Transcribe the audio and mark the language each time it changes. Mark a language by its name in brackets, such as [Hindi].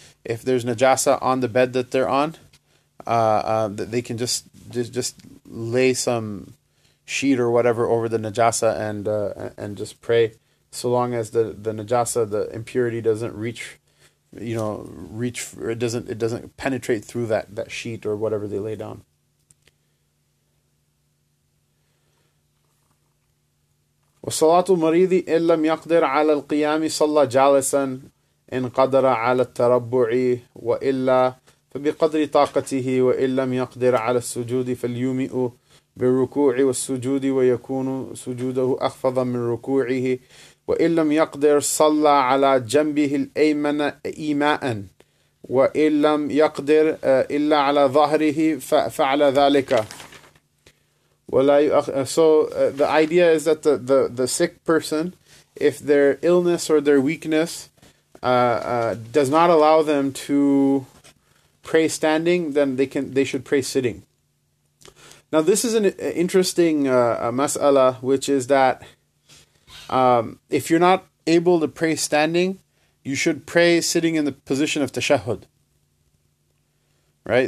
[English] If there's najasa on the bed that they're on, that they can just lay some sheet or whatever over the najasa and just pray. So long as the najasa, the impurity, doesn't reach you know, reach for, it doesn't penetrate through that sheet or whatever they lay down. [Arabic] وصلاة المريض إن لم يقدر على القيام صلى جالسا إن قدر على التربع وإلا فبقدر طاقته وإن لم يقدر على السجود فليومئ بالركوع والسجود ويكون سجوده أخفض من ركوعه وإن لم يقدر صلى على جنبه الأيمن إيماء وإن لم يقدر إلا على ظهره فعل ذلك. [English] The idea is that the sick person, if their illness or their weakness does not allow them to pray standing, then they should pray sitting. Now this is an interesting mas'ala, which is that if you're not able to pray standing, you should pray sitting in the position of tashahhud. Right?